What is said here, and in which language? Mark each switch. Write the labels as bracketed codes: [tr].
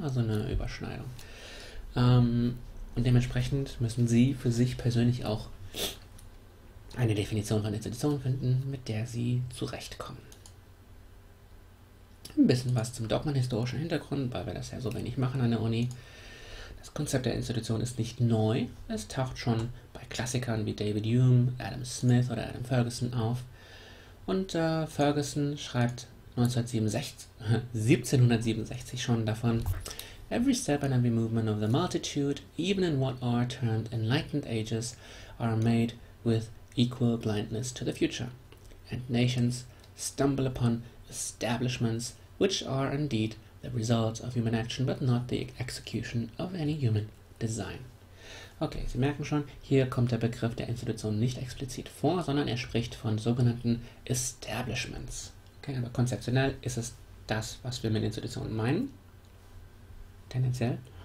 [de] Also eine Überschneidung. Und dementsprechend müssen Sie für sich persönlich auch eine Definition von Institutionen finden, mit der Sie zurechtkommen. Ein bisschen was zum dogmenhistorischen Hintergrund, weil wir das ja so wenig machen an der Uni. Das Konzept der Institution ist nicht neu. Es taucht schon bei Klassikern wie David Hume, Adam Smith oder Adam Ferguson auf. Und Ferguson schreibt 1767 schon davon, [en] Every step and every movement of the multitude, even in what are termed enlightened ages, are made with equal blindness to the future. And nations stumble upon establishments which are indeed the result of human action, but not the execution of any human design. [de] Okay, Sie merken schon, hier kommt der Begriff der Institution nicht explizit vor, sondern er spricht von sogenannten Establishments. Okay, aber konzeptionell ist es das, was wir mit Institutionen meinen. Tendenziell.